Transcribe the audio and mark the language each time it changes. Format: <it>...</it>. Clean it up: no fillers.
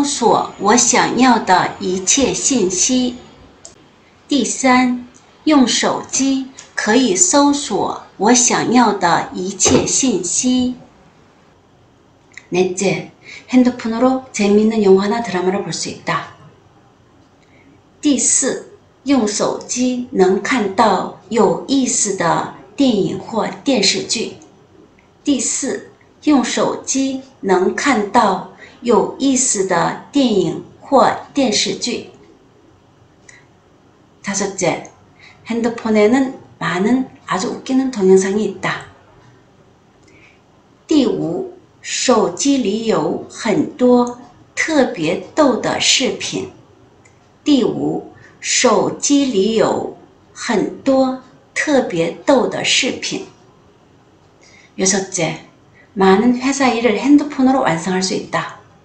<zh>第三，用手机可以搜索我想要的一切信息。第三，用手机可以搜索我想要的一切信息。</zh> <ko>넷째, 핸드폰으로 재미있는 영화나 드라마를 볼수 있다.</ko> <zh>第四，用手机能看到有意思的电影或电视剧。第四，用手机能看到有意思的电影或电视剧。 다섯째,</zh> <ko>핸드폰에는 많은 아주 웃기는 동영상이 있다.</ko> <zh>第五，手机里有很多特别逗的视频。第五，手机里有很多特别逗的视频。</zh> <ko>여섯째, 많은 회사 일을 핸드폰으로 완성할 수 있다.</ko>